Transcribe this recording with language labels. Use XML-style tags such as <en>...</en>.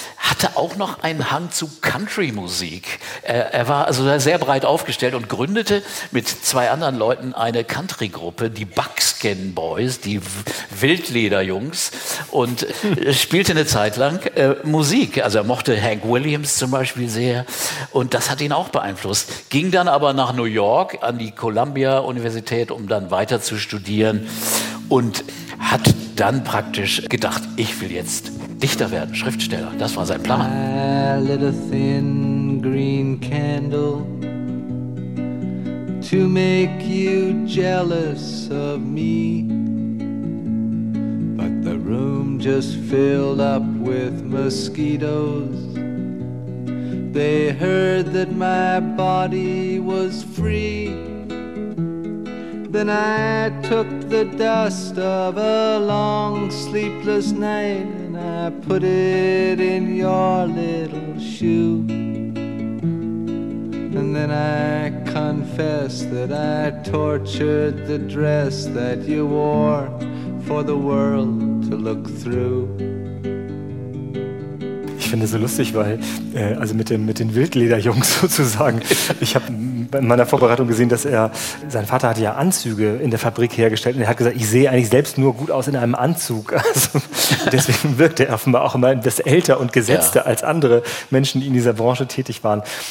<de>hatte auch noch einen Hang zu Country-Musik. Er war also sehr breit aufgestellt und gründete mit zwei anderen Leuten eine Country-Gruppe, die Buckskin Boys, die Wildlederjungs, und spielte eine Zeit lang Musik. Also er mochte Hank Williams zum Beispiel sehr und das hat ihn auch beeinflusst. Ging dann aber nach New York an die Columbia-Universität, um dann weiter zu studieren, und hat dann praktisch gedacht, ich will jetzt Dichter werden, Schriftsteller. Das war sein Plan.</de> <en>I lit a thin green candle to make you jealous of me, but the room just filled up with mosquitoes. They heard that my body was free. Then I took the dust of a long sleepless night and I put it in your little shoe. And then I confessed that I tortured the dress that you wore for the world to look through.</en> <de>Ich finde es so lustig, weil also mit den Wildlederjungs sozusagen. Ich habe in meiner Vorbereitung gesehen, dass er, sein Vater hatte ja Anzüge in der Fabrik hergestellt, und er hat gesagt, ich sehe eigentlich selbst nur gut aus in einem Anzug. Also, deswegen wirkte er offenbar auch immer etwas älter und gesetzter, ja, als andere Menschen, die in dieser Branche tätig waren.</de>